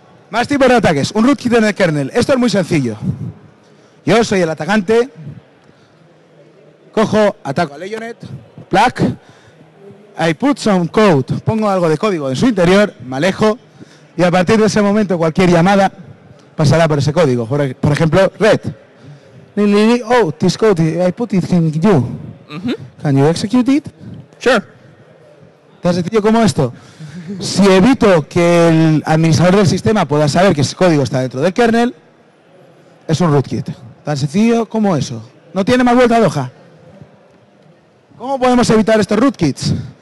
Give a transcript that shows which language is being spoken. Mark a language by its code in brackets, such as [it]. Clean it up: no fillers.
[es] Más tipos de ataques. Un rootkit en el kernel. Esto es muy sencillo. Yo soy el atacante. Cojo, ataco a [en] Leonet, plug. I put some code. [es] Pongo algo de código en su interior, me alejo. Y a partir de ese momento cualquier llamada pasará por ese código. Por ejemplo, red. [en] Oh, this code, I put it in you. Can you execute it? Sure. [es] Tan sencillo como esto. Si evito que el administrador del sistema pueda saber que ese código está dentro del kernel, es un rootkit. Tan sencillo como eso. No tiene más vuelta de hoja. ¿Cómo podemos evitar estos rootkits?